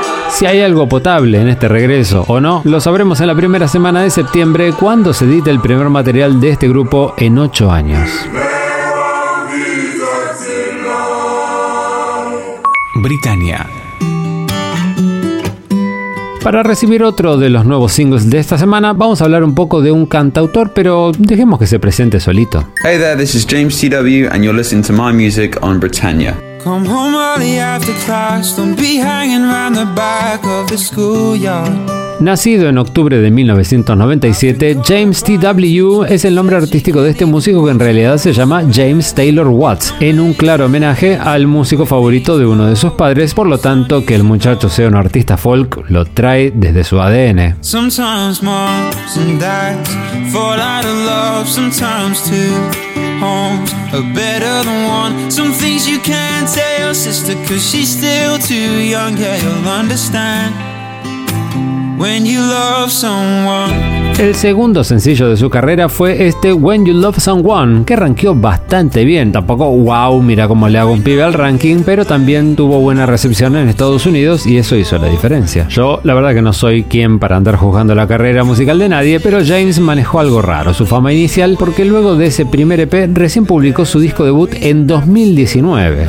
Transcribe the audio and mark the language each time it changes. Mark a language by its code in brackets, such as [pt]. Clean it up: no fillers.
[es] Si hay algo potable en este regreso o no, lo sabremos en la primera semana de septiembre cuando se edite el primer material de este grupo en 8 años. Britannia. Para recibir otro de los nuevos singles de esta semana, vamos a hablar un poco de un cantautor, pero dejemos que se presente solito. [en] Hey there, this is James CW and you're listening to my music on Britannia. Come home early after class, don't be hanging around the back of the schoolyard. [es] Nacido en octubre de 1997, James T.W. es el nombre artístico de este músico que en realidad se llama James Taylor Watts, en un claro homenaje al músico favorito de uno de sus padres, por lo tanto que el muchacho sea un artista folk lo trae desde su ADN. [en] Sometimes moms and dads fall out of love, sometimes two homes are better than one. Some things you can't tell your sister cause she's still too young, yeah you'll understand. When you love someone, [es] El segundo sencillo de su carrera fue este When You Love Someone, que rankeó bastante bien. Tampoco wow, mira cómo le hago un pibe al ranking, pero también tuvo buena recepción en Estados Unidos y eso hizo la diferencia. Yo, la verdad que no soy quien para andar juzgando la carrera musical de nadie, pero James manejó algo raro su fama inicial, porque luego de ese primer EP recién publicó su disco debut en 2019.